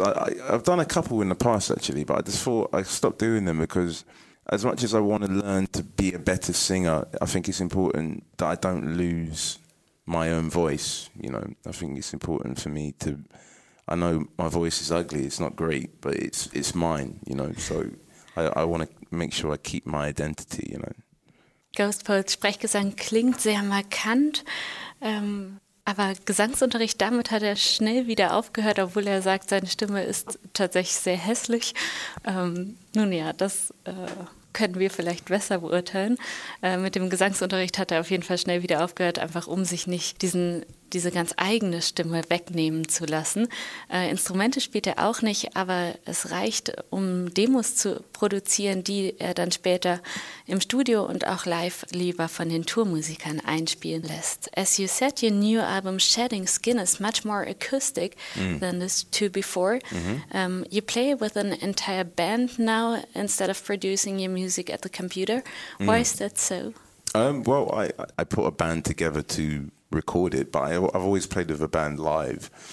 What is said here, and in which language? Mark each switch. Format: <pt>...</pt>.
<en>I've done a couple in the past actually, but I just thought I stopped doing them because, as much as I want to learn to be a better singer, I think it's important that I don't lose my own voice. You know, I think it's important for me to. I know my voice is ugly; it's not great, but it's mine. You know, so I want to make sure I keep my identity. You know.</en> <de>Ghost Poets Sprechgesang klingt sehr markant, aber Gesangsunterricht, damit hat er schnell wieder aufgehört, obwohl er sagt, seine Stimme ist tatsächlich sehr hässlich. Nun ja, das können wir vielleicht besser beurteilen. Mit dem Gesangsunterricht hat er auf jeden Fall schnell wieder aufgehört, einfach um sich nicht diese ganz eigene Stimme wegnehmen zu lassen. Instrumente spielt er auch nicht, aber es reicht, um Demos zu produzieren, die er dann später im Studio und auch live lieber von den Tourmusikern einspielen lässt.</de> <en>As you said, your new album Shedding Skin is much more acoustic than the two before. Mm-hmm. You play with an entire band now instead of producing your music at the computer. Why is that so? I put a band together to record it, but I've always played with a band live.</en>